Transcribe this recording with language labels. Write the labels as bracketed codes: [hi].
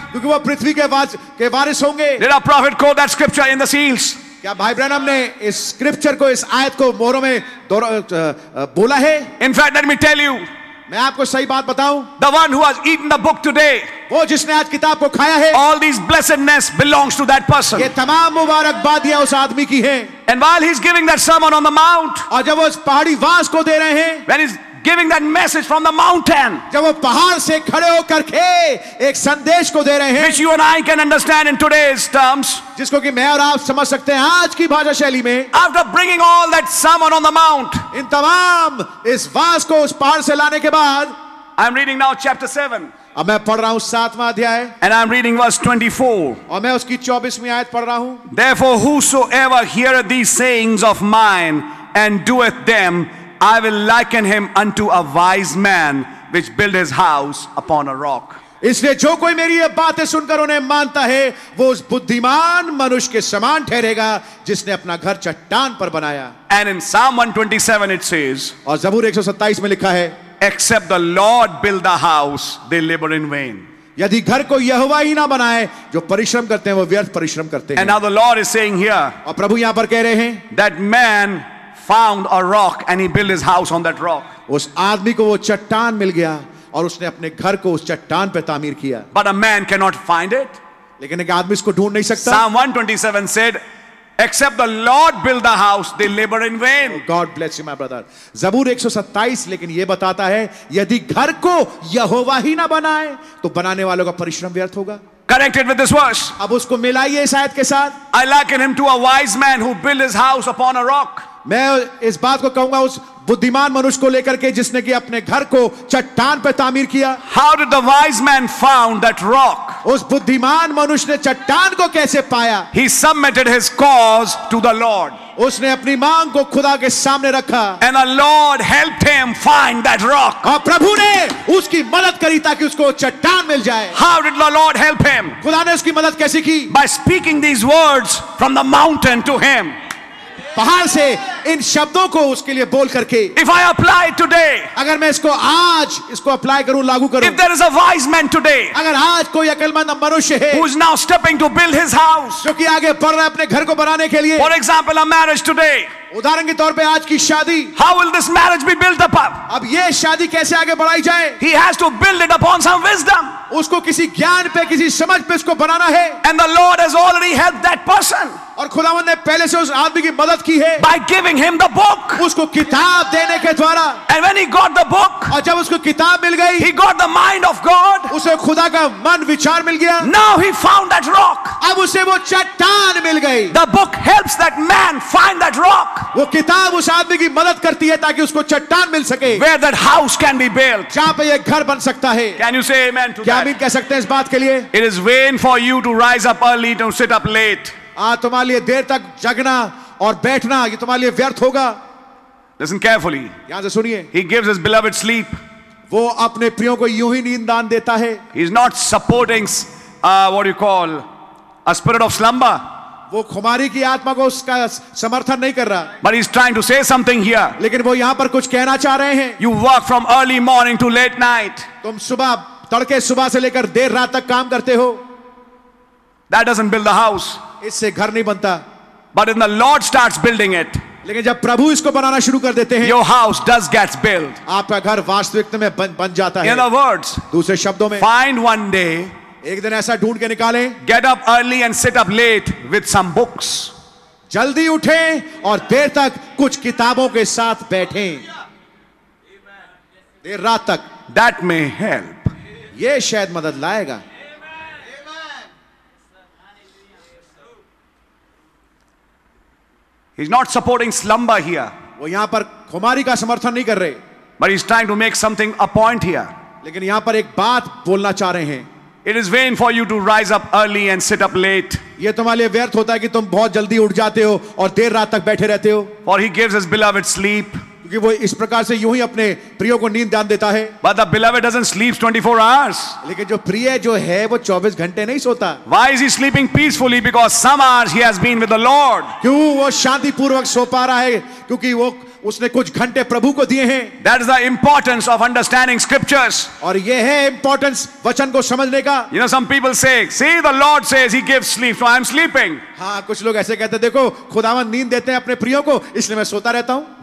[hi] क्योंकि वो पृथ्वी के वारिस होंगे. [en] Did our prophet quote that scripture in the seals? [hi] क्या भाई ब्रैनम ने इस स्क्रिप्चर को इस आयत को मोहरों में बोला है? [en] In fact, let me tell you. [hi] मैं आपको सही बात बताऊं. [en] The one who has eaten the book today. [hi] वो जिसने आज किताब को खाया है. [en] All these blessedness belongs to that person. [hi] ये तमाम मुबारकबादियां उस आदमी की हैं. [en] And while he's giving that sermon on the mount. [hi] और जब वो उस पहाड़ी वास को दे रहे हैं. [en] When he's giving that message from the mountain, [hi] जब वो पहाड़ से खड़े होकर के एक संदेश को दे रहे हैं, [en] which you and I can understand in today's terms, [hi] जिसको कि मैं और आप समझ सकते हैं आज की भाषा शैली में, [en] after bringing all that sermon on the mount, [hi] इन तमाम इस वास को उस पहाड़ से लाने के बाद, [en] I'm reading now chapter 7. [hi] अब मैं पढ़ रहा हूँ सातवां अध्याय. [en] And I'm reading verse 24. [hi] और मैं उसकी 24वीं आयत पढ़ रहा हूँ. [en] Therefore, whosoever heareth these sayings of mine and doeth them, I will liken him unto a wise man which built his house upon a rock. [hi] इसलिए जो कोई मेरी ये बातें सुनकर उन्हें मानता है वो उस बुद्धिमान मनुष्य के समान ठहरेगा जिसने अपना घर चट्टान पर बनाया. [en] And in Psalm 127 it says, [hi] और जबूर 127 में लिखा है, [en] except the Lord build the house, they labor in vain. [hi] यदि घर को यहोवा ही ना बनाए जो परिश्रम करते हैं वो व्यर्थ परिश्रम करते हैं. [en] And now the Lord is saying here, [hi] और प्रभु यहां पर कह रहे हैं, [en] that man found a rock and he built his house on that rock. [hi] उस आदमी को वो चट्टान मिल गया और उसने अपने घर को उस चट्टान पे तामीर किया. [en] But a man cannot find it. [hi] लेकिन एक आदमी इसको ढूंढ नहीं सकता. [en] Psalm 127 said, except the Lord build the house, they labor in vain. God bless you, my brother. [hi] जबूर 127 लेकिन ये बताता है यदि घर को यहोवा ही ना बनाए तो बनाने वालों का परिश्रम व्यर्थ होगा. [en] Connected with this verse. [hi] अब उसको मिलाइए इस आयत के साथ. [en] I liken him to a wise man who built his house upon a rock. [hi] मैं इस बात को कहूंगा उस बुद्धिमान मनुष्य को लेकर के जिसने कि अपने घर को चट्टान पर तामीर किया. [en] How did the wise man found that rock? [hi] उस बुद्धिमान मनुष्य ने चट्टान को कैसे पाया? [en] He submitted his cause to the Lord. [hi] उसने अपनी मांग को खुदा के सामने रखा. [en] And the Lord helped him find that rock. [hi] और प्रभु ने उसकी मदद करी ताकि उसको चट्टान मिल जाए. [en] How did the Lord help him? [hi] खुदा ने उसकी मदद कैसे की? [en] By speaking these words from the mountain to him. [hi] पहाड़ से इन शब्दों को उसके लिए बोल करके. [en] If I apply today, [hi] अगर मैं इसको आज इसको अप्लाई करूं लागू करूं. [en] If there is a wise man today, [hi] अगर आज कोई अकलमंद मनुष्य है. [en] Who is now stepping to build his house, [hi] जो कि आगे बढ़ रहा है अपने घर को बनाने के लिए. [en] For example, a marriage today, [hi] उदाहरण के तौर पे आज की शादी. [en] How will this marriage be built upon? [hi] अब ये शादी कैसे आगे बढ़ाई जाए? [en] He has to build it upon some wisdom. [hi] उसको किसी ज्ञान पे, किसी समझ पे उसको बनाना है. [en] And the Lord has already helped that person. [hi] और खुदावन ने पहले से उस आदमी की मदद की है. [en] By giving him the book. [hi] उसको किताब देने के द्वारा. [en] And when he got the book. [hi] और जब उसको किताब मिल गई. [en] He got the mind of God. [hi] उसे खुदा का मन विचार मिल गया. [en] Now he found that rock. [hi] अब उसे वो चट्टान मिल गई. [en] The book helps that man find that rock. [hi] वो किताब उस आदमी की मदद करती है ताकि उसको चट्टान मिल सके. [en] Where that house can be built. [hi] जहाँ पे ये घर बन सकता है. [en] Can you say amen to that? [hi] कह सकते हैं इस बात के लिए. [en] It is vain for you to rise up early to sit up late. [hi] तुम्हारे लिए देर तक जगना और बैठना ये तुम्हारे लिए व्यर्थ होगा. [en] Listen carefully. [hi] यहां से सुनिए. [en] He gives his beloved sleep. [hi] वो अपने प्रियों को यूं ही नींद दान देता है. [en] He is not supporting what you call a spirit of slumber. [hi] वो खुमारी की आत्मा को उसका समर्थन नहीं कर रहा. [en] But he's trying to say something here. [hi] लेकिन वो यहां पर कुछ कहना चाह रहे हैं. [en] You work from early morning to late night. [hi] तुम सुबह तड़के सुबह से लेकर देर रात तक काम करते हो. [en] That doesn't build the house. [hi] इससे घर नहीं बनता. [en] But when the Lord starts building it. [hi] लेकिन जब प्रभु इसको बनाना शुरू कर देते हैं. [en] Your house does gets built. [hi] आपका घर वास्तविकता में बन जाता है. [en] In other words. [hi] दूसरे शब्दों में. [en] Find one day. [hi] एक दिन ऐसा ढूंढ के निकालें. [en] Get up early and sit up late with some books. [hi] जल्दी उठें और देर तक कुछ किताबों के साथ बैठें. देर रात तक. [en] That may help. [hi] ये शायद मदद लाएगा. [en] He's not supporting slumber here. [hi] वो यहां पर खुमारी का समर्थन नहीं कर रहे. [en] But he's trying to make something a point here. [hi] लेकिन यहां पर एक बात बोलना चाह रहे हैं. [en] It is vain for you to rise up early and sit up late. [hi] ये तुम्हारे लिए व्यर्थ होता है कि तुम बहुत जल्दी उठ जाते हो और देर रात तक बैठे रहते हो. [en] For he gives his beloved sleep. [hi] कि वो इस प्रकार से यूं ही अपने प्रियों को नींद दान देता है. [en] But the beloved doesn't sleep 24 hours. [hi] लेकिन जो प्रिय जो है वो 24 घंटे नहीं सोता. [en] Why is he sleeping peacefully? Because some hours he has been with the Lord. [hi] क्यों वो शांतिपूर्वक सो पा रहा है? क्योंकि वो उसने कुछ घंटे प्रभु को दिए हैं. [en] That is the importance of understanding scriptures. [hi] और ये है importance वचन को समझने का. [en] You know some people say, see the Lord says he gives sleep, so I'm sleeping. [hi] हाँ, कुछ लोग ऐसे कहते हैं, देखो खुदावन नींद देते हैं अपने प्रियों को इसलिए मैं सोता रहता हूँ.